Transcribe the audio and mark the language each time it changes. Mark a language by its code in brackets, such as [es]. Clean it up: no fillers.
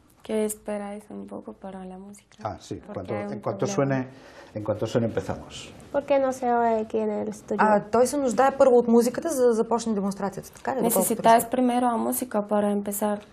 [es] Esperáis un poco para la música. Ah, sí. En cuanto suene empezamos. ¿Por qué no se oye aquí en el estudio? [bg] Той се нуждае първо от музиката, за да започне демонстрацията. [es] Necesitáis primero a música para empezar.